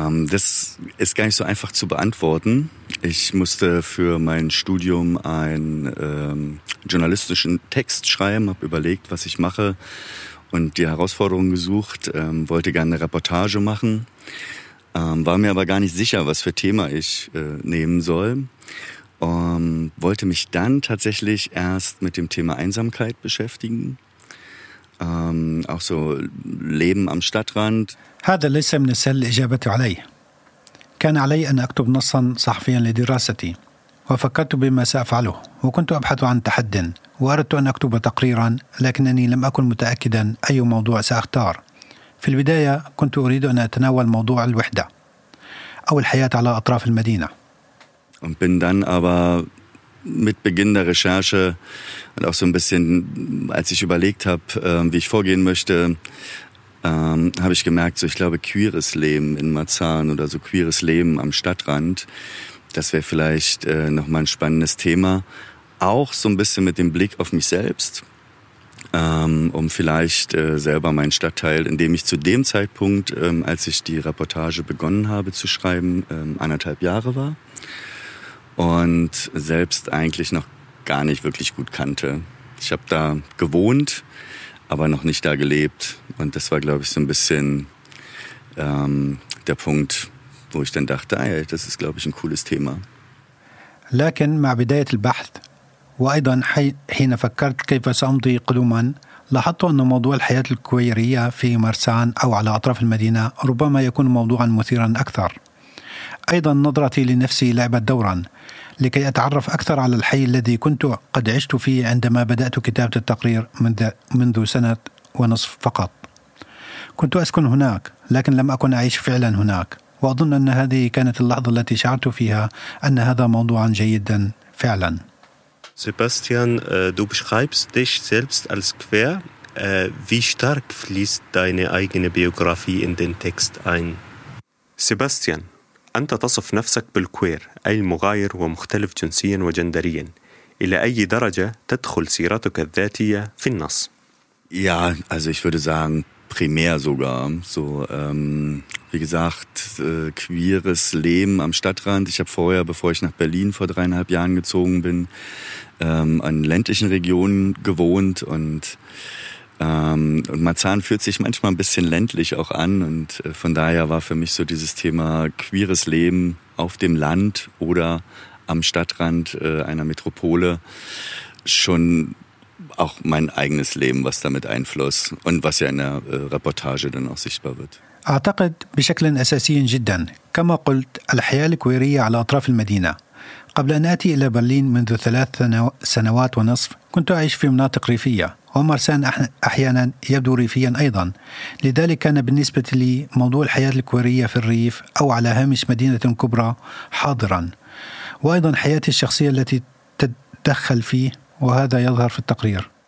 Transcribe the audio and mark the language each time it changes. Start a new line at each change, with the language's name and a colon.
German: Das ist gar nicht so einfach zu beantworten. Ich musste für mein Studium einen journalistischen Text schreiben, habe überlegt, was ich mache und die Herausforderungen gesucht, wollte gerne eine Reportage machen, war mir aber gar nicht sicher, was für Thema ich nehmen soll. Wollte mich dann tatsächlich erst mit dem Thema Einsamkeit beschäftigen. Auch so Leben am Stadtrand.
Arabic: هذا ليس من السهل الإجابة علي. كان علي أن أكتب نصا صحفيا لدراستي وفكرت بما سأفعله وكنت أبحث عن تحد وأردت أن أكتب تقريرا لكنني لم أكن متأكدا أي موضوع سأختار. في البداية كنت أريد أن أتناول موضوع الوحدة أو الحياة على أطراف المدينة.
German: Und bin dann aber mit Beginn der Recherche und auch so ein bisschen, als ich überlegt habe, wie ich vorgehen möchte, habe ich gemerkt, so ich glaube, queeres Leben in Marzahn oder so queeres Leben am Stadtrand, das wäre vielleicht nochmal ein spannendes Thema. Auch so ein bisschen mit dem Blick auf mich selbst, um vielleicht selber meinen Stadtteil, in dem ich zu dem Zeitpunkt, als ich die Reportage begonnen habe zu schreiben, 1,5 Jahre war. Und selbst eigentlich noch gar nicht wirklich gut kannte. Ich habe da gewohnt, aber noch nicht da gelebt. Und das war, glaube ich, so ein bisschen der Punkt, wo ich dann dachte, ah ja, das ist, glaube ich, ein cooles Thema.
Arabic: لكن مع بداية البحث وأيضا حين فكرت كيف سأمضي قدما لاحظت أن موضوع الحياة الكويرية في مارسان أو على أطراف المدينة ربما يكون موضوعا مثيرا أكثر. أيضا نظرتي لنفسي لعبت دورا لكي أتعرف أكثر على الحي الذي كنت قد عشت فيه عندما بدأت كتابة التقرير منذ سنة ونصف فقط. كنت أسكن هناك لكن لم أكن أعيش فعلا هناك، وأظن أن هذه كانت اللحظة التي شعرت فيها أن هذا موضوعا جيدا فعلا.
German: Sebastian, du beschreibst dich selbst als quer. Wie stark fließt deine eigene Biografie in den Text ein?
Arabic: Sebastian, أنت تصف نفسك بالكوير، أي المغاير ومختلف جنسيا وجندريا. إلى أي درجة تدخل سيرتك الذاتية في النص؟
German: Ja, also ich würde sagen primär sogar. So wie gesagt, queeres Leben am Stadtrand. Ich habe vorher, bevor ich nach Berlin vor 3,5 Jahren gezogen bin, in ländlichen Regionen gewohnt und Marzahn fühlt sich manchmal ein bisschen ländlich auch an und von daher war für mich so dieses Thema queeres Leben auf dem Land oder am Stadtrand einer Metropole schon auch mein eigenes Leben, was damit einfloss und was ja in der Reportage dann auch sichtbar wird.
Arabic: أعتقد بشكل أساسي جدا كما قلت الحياة الكويرية على أطراف المدينة. قبل أن أتي إلى برلين منذ 3 سنوات ونصف كنت أعيش في مناطق ريفية، ومرسان أحيانا يبدو ريفيا أيضا، لذلك كان بالنسبة لي موضوع الحياة الكويرية في الريف أو على هامش مدينة كبرى حاضرا، وأيضا حياتي الشخصية التي تدخل فيه وهذا يظهر في التقرير.